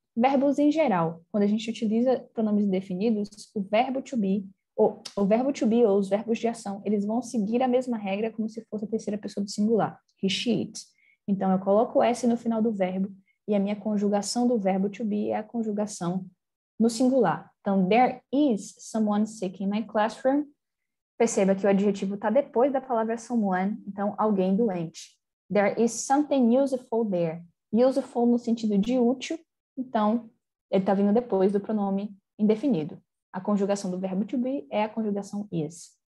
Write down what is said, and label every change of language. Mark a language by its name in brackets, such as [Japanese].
[Portuguese] Verbos em geral, quando a gente utiliza pronomes indefinidos, o verbo to be, ou o verbo to be, ou os verbos de ação, eles vão seguir a mesma regra como se fosse a terceira pessoa do singular. [English] He, she, it. [Portuguese] Então, eu coloco o S no final do verbo e a minha conjugação do verbo to be é a conjugação no singular. [English] Então, there is someone sick in my classroom. [Portuguese] Perceba que o adjetivo está depois da palavra someone, então alguém doente. [English] There is something useful there. [Portuguese] Useful no sentido de útil, então ele está vindo depois do pronome indefinido. A conjugação do verbo to be é a conjugação is.